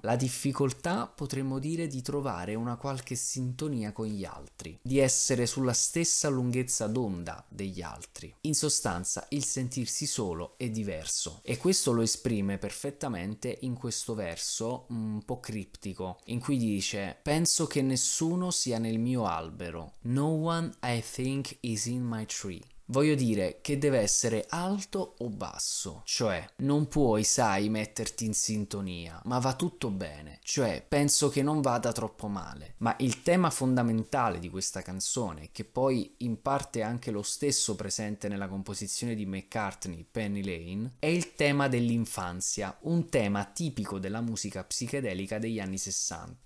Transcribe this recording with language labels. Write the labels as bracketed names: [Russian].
[Italian] La difficoltà, potremmo dire, di trovare una qualche sintonia con gli altri, di essere sulla stessa lunghezza d'onda degli altri. In sostanza, il sentirsi solo e diverso. E questo lo esprime perfettamente in questo verso un po' criptico, in cui dice: penso che nessuno sia nel mio albero. [English] No one I think is in my tree. [Italian] Voglio dire che deve essere alto o basso, cioè non puoi, sai, metterti in sintonia, ma va tutto bene, cioè penso che non vada troppo male. Ma il tema fondamentale di questa canzone, che poi in parte è anche lo stesso presente nella composizione di McCartney, Penny Lane, è il tema dell'infanzia, un tema tipico della musica psichedelica degli anni 60.